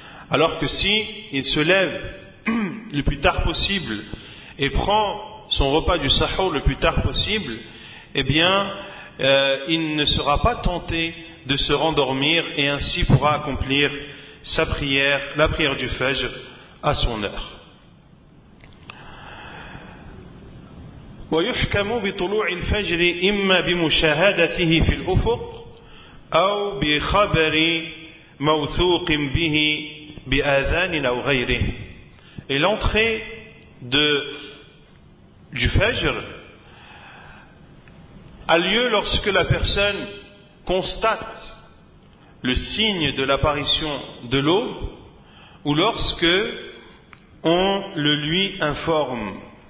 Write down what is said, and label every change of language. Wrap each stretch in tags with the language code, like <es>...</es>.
<fr>Alors que si il se lève le plus tard possible et prend son repas du sahur le plus tard possible, eh bien il ne sera pas tenté de se rendormir et ainsi pourra accomplir sa prière, la prière du fajr, à son heure.</fr> <ar>ويحكم بطلوع الفجر إما بمشاهدته في الأفق أو بخبر موثوق به بأذان أو غيره.</ar> <fr>Et l'entrée du fajr a lieu lorsque la personne constate le signe de l'apparition de l'aube ou lorsque on le lui informe.</fr>